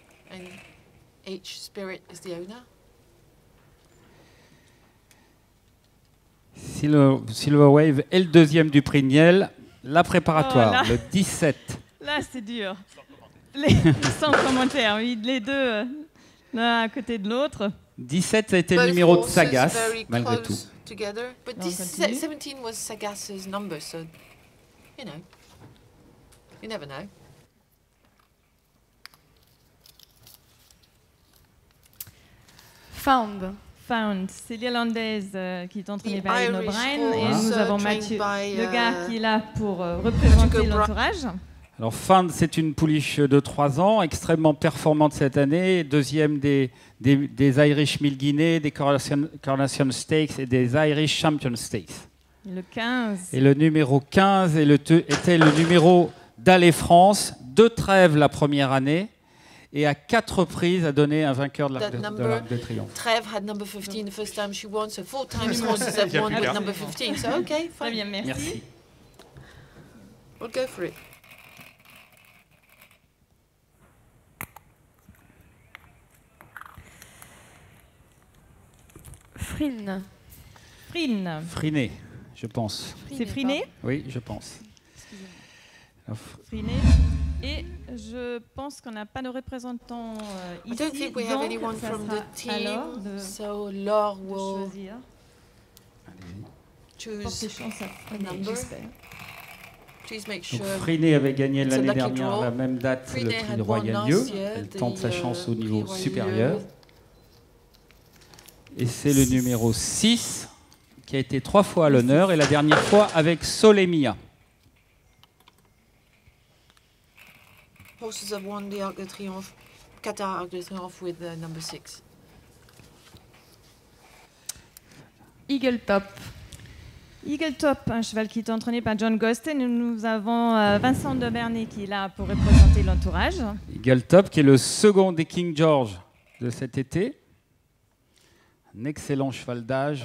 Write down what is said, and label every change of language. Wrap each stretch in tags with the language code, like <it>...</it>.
<en>And H. Spirit is the owner.</en> <fr>Silver Wave est le deuxième du prix Niel. La préparatoire, le 17. Là, c'est dur. Sans commentaire, oui, les deux l'un à côté de l'autre. 17, ça a été le numéro de Sagas, malgré tout.</fr> <en>Together, but 17 was Sagas's number, so you know, you never know.</en> <fr>Found, c'est l'Irlandaise qui est entraînée par Ian O'Brien, et nous avons Mathieu, le gars qui est là pour représenter l'entourage. Alors, Find, c'est une pouliche de 3 ans, extrêmement performante cette année, deuxième des Irish Mille Guinées, des Coronation Stakes et des Irish Champion Stakes. Le 15. Et le numéro 15 était le numéro d'Aller France, de Trèves la première année, et à 4 reprises a donné un vainqueur de l'Arc de l'Arc de Triomphe.</fr> <en>Trèves had number 15 the first time she won, so 4 times horses have won with number 15. So, okay, fine.</en> <fr>Très bien, merci.</fr> <en>We'll go for it.</en> <fr>Friné, je pense. C'est Friné? Oui, je pense. Friné. Et je pense qu'on n'a pas de représentant ici.</fr> <en>I don't think we have anyone from the team, so Laure will choose number. Please make sure.</en> <fr>Friné avait gagné l'année dernière à la même date le prix Royal Lieu. Elle tente sa chance au niveau supérieur. Et c'est le numéro 6 qui a été 3 fois à l'honneur et la dernière fois avec Solemia.</fr> <en>Horses have won the Arc de Triomphe, Qatar Arc de Triomphe with the number 6.</en> <fr>Eagle Top. Eagle Top, un cheval qui est entraîné par John Gosten. Nous avons Vincent de Bernet qui est là pour représenter l'entourage. Eagle Top, qui est le second des King George de cet été. Un excellent cheval d'âge.</fr>